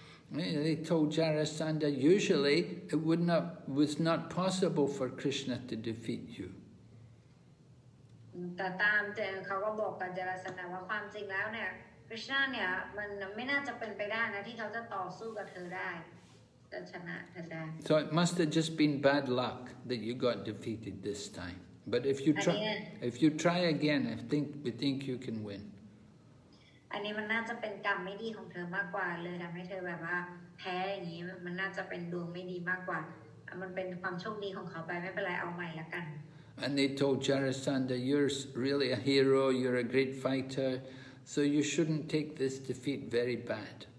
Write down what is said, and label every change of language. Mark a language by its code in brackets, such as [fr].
[en] They told Jarasandha, usually it would not was not possible for Krishna to defeat you. [th] แต่ตามเขาก็บอกกับจราสันดาว่าความจริงแล้วเนี่ยคริชนาเนี่ยมันไม่น่าจะเป็นไปได้นะที่เขาจะต่อสู้กับเธอได้จะชนะเธอได้ [en] So it must have just been bad luck that you got defeated this time. But if you try, again, we think you can win. [th] อันนี้มันน่าจะเป็นกรรมไม่ดีของเธอมากกว่าเลยทำให้เธอแบบว่าแพ้อย่างนี้มันน่าจะเป็นดวงไม่ดีมากกว่ามันเป็นความโชคดีของเขาไปไม่เป็นไรเอาใหม่ละกัน [en] And they told Jarasandha, you're really a hero, you're a great fighter, so you shouldn't take this defeat very bad.